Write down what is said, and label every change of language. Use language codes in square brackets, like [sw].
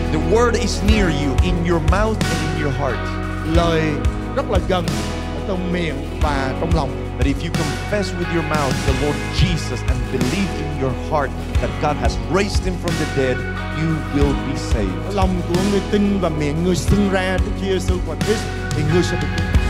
[en] word is near you, in your mouth and in your heart. [vi] Lời rất là gần trong miệng và trong lòng. [en] But if you confess with your mouth the Lord Jesus and believe in your heart that God has raised him from the dead, you will be saved. [vi] Lòng của người tin và miệng người xưng ra Đức Giêsu Christ thì người sẽ được cứu.